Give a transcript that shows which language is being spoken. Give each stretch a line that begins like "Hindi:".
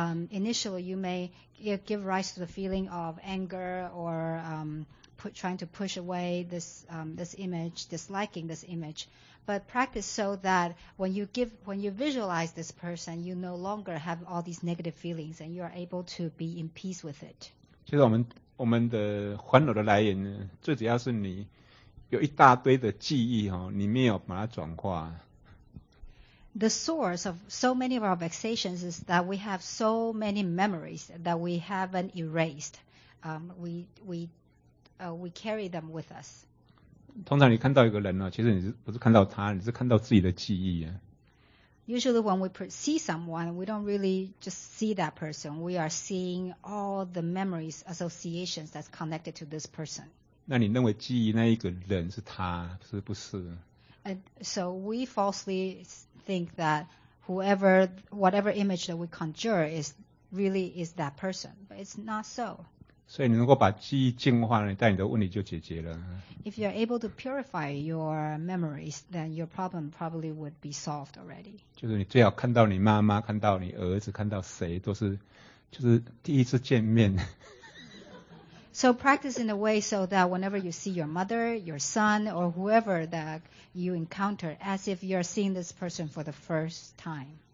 English: Initially, you may give rise to the feeling of anger or trying to push away this image, disliking this image. But practice so that when you visualize this person, you no longer have all these negative feelings and you are able to be in peace with it.
Chinese: 其实我们的烦恼的来源呢，最主要是你有一大堆的记忆哦，你没有把它转化。
English: The source of so many of our vexations is that we have so many memories that we haven't erased. We carry them with us.
Chinese: 通常你看到一个人呢，其实你不是看到他，你是看到自己的记忆啊。
English: Usually when we see someone, we don't really just see that person. We are seeing all the memories, associations that's connected to this person.
Chinese: 那你认为记忆那一个人是他，是不是？
English: And so we falsely think that whatever image that we conjure is really that person. But it's not so.
Chinese: 所以你能够把记忆净化了，但你的问题就解决了。
English: If you are able to purify your memories, then your problem probably would be solved already.
Chinese: 就是你最好看到你妈妈，看到你儿子，看到谁，都是就是第一次见面。
English: So practice in a way so that whenever you see your mother, your son, or whoever that you encounter, as if you are seeing this person for the first time.